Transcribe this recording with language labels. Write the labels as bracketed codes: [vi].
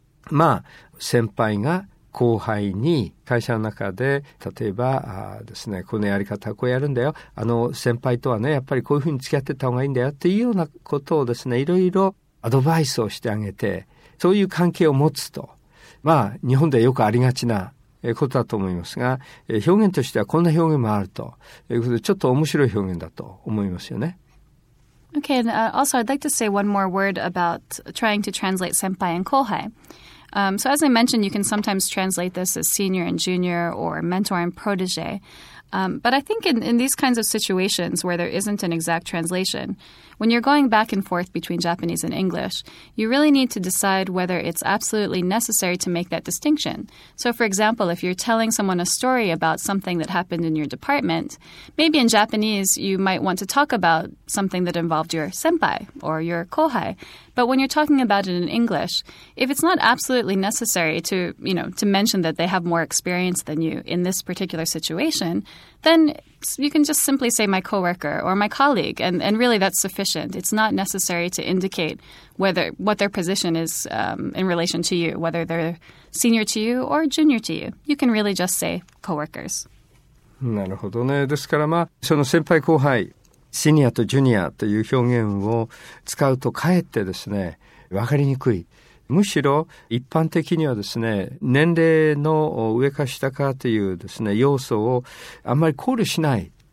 [ja] まあ先輩が後輩に会社の中で例えばですね、このやり方はこうやるんだよ、あの先輩とはねやっぱりこういうふうに付き合ってた方がいいんだよっていうようなことをですね、いろいろアドバイスをしてあげて、そういう関係を持つと、まあ日本ではよくありがちなことだと思いますが、表現としてはこんな表現もあるということで、ちょっと面白い表現だと思いますよね。 [en] Okay, and also I'd like to say one more word about trying to translate senpai and kohai. So as I mentioned, you can sometimes translate this as senior and junior or mentor and protege. But I think in these kinds of situations where there isn't an exact translation, when you're going back and forth between Japanese and English, you really need to decide whether it's absolutely necessary to make that distinction. So, for example, if you're telling someone a story about something that happened in your department, maybe in Japanese you might want to talk about something that involved your senpai or your kohai. But when you're talking about it in English, if it's not absolutely necessary to, you know, to mention that they have more experience than you in this particular situation, then you can just simply say my coworker or my colleague, and really that's sufficient. It's not necessary to indicate whether what their position is in relation to you, whether they're senior to you or junior to you. You can really just say coworkers. [ja] なるほどね。ですから、まあ、その先輩後輩、シニアとジュニアという表現を使うとかえってですね、分かりにくい。むしろ一般的にはですね、年齢の上か下かというですね、要素をあんまり考慮しない。